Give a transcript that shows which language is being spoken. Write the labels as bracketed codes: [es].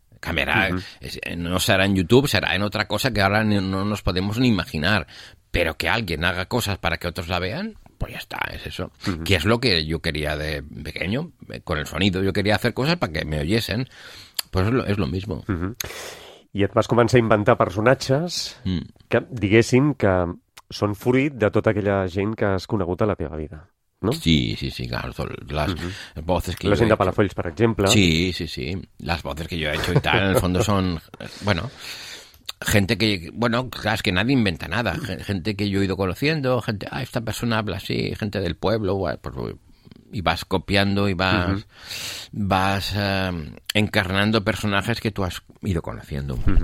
[es] Cambiará, no será en YouTube, será en otra cosa que ahora no nos podemos ni imaginar. Pero que alguien haga cosas para que otros la vean, pues ya está, es eso. ¿Qué es lo que yo quería de pequeño? Con el sonido, yo quería hacer cosas para que me oyesen. Pues es lo mismo. [ca] I et vas començar a inventar personatges que, diguéssim, que són fruit de tota aquella gent que has conegut a la teva vida. ¿No? [es] Sí, claro, las voces que la gente de Palafolls, por ejemplo. Sí, las voces que yo he hecho y tal, en el fondo son, bueno, gente que, bueno, claro, es que nadie inventa nada, gente que yo he ido conociendo, gente, ah, esta persona habla así, gente del pueblo, pues, y vas copiando y vas encarnando personajes que tú has ido conociendo.